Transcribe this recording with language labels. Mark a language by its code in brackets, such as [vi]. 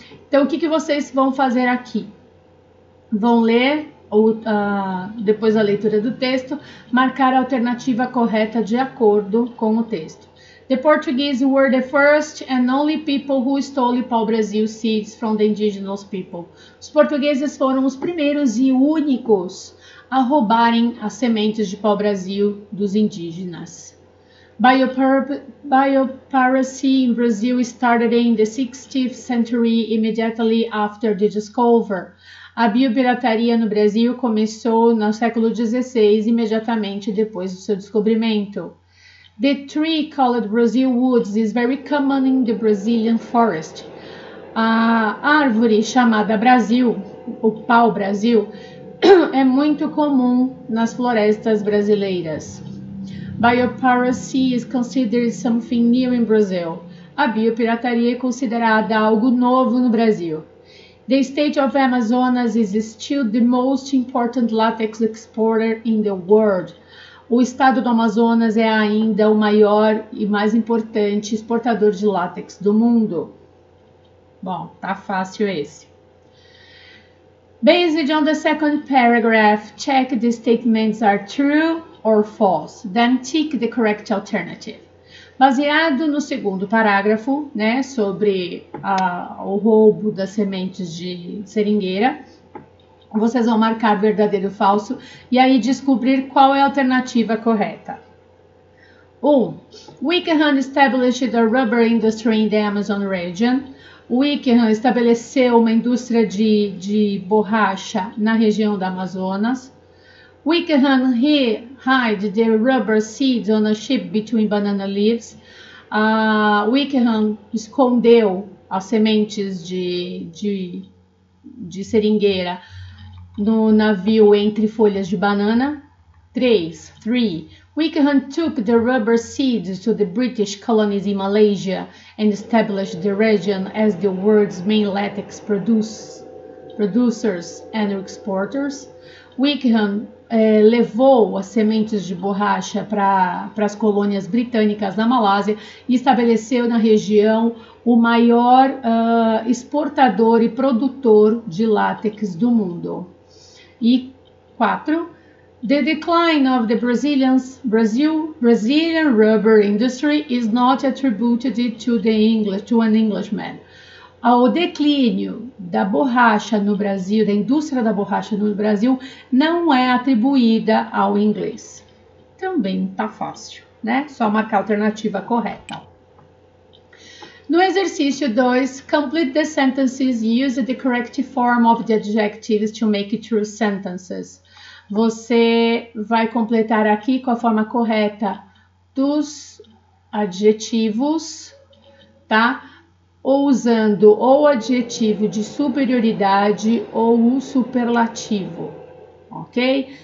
[pt] Então, o que que vocês vão fazer aqui? Vão ler, depois da leitura do texto, marcar a alternativa correta de acordo com o texto. [en] The Portuguese were the first and only people who stole pau-brasil seeds from the indigenous people. [pt] Os portugueses foram os primeiros e únicos a roubarem as sementes de pau-brasil dos indígenas. [en] Biopiracy in Brazil started in the 16th century, immediately after the discovery. [pt] A biopirataria no Brasil começou no século XVI, imediatamente depois do seu descobrimento. [en] The tree called Brazil Woods is very common in the Brazilian forest. [pt] A árvore chamada Brasil, o pau Brasil, é muito comum nas florestas brasileiras. [en] Biopiracy is considered something new in Brazil. [pt] A biopirataria é considerada algo novo no Brasil. [en] The state of Amazonas is still the most important latex exporter in the world. [pt] O estado do Amazonas é ainda o maior e mais importante exportador de látex do mundo. Bom, tá fácil esse. [en] Based on the second paragraph, check the statements are true or false. Then tick the correct alternative. [pt] Baseado no segundo parágrafo, né, sobre o roubo das sementes de seringueira, vocês vão marcar verdadeiro ou falso e aí descobrir qual é a alternativa correta. 1. [en] Wickham established a rubber industry in the Amazon region. [pt] Wickham estabeleceu uma indústria de borracha na região da Amazonas. [en] Wickham hid the rubber seeds on a ship between banana leaves. [pt] Wickham escondeu as sementes de seringueira no navio entre folhas de banana. 3. [en] Wickham took the rubber seeds to the British colonies in Malaysia and established the region as the world's main latex producers and exporters. [pt] Wickham levou as sementes de borracha para as colônias britânicas na Malásia e estabeleceu na região o maior exportador e produtor de látex do mundo. E 4. [en] The decline of the Brazilian rubber industry is not attributed to an Englishman. [pt] O declínio da borracha no Brasil, da indústria da borracha no Brasil, não é atribuída ao inglês. Também tá fácil, né? Só marcar a alternativa correta. No exercício 2, [en] complete the sentences, use the correct form of the adjectives to make true sentences. [pt] Você vai completar aqui com a forma correta dos adjetivos, tá? Ou usando ou o adjetivo de superioridade ou o superlativo, ok?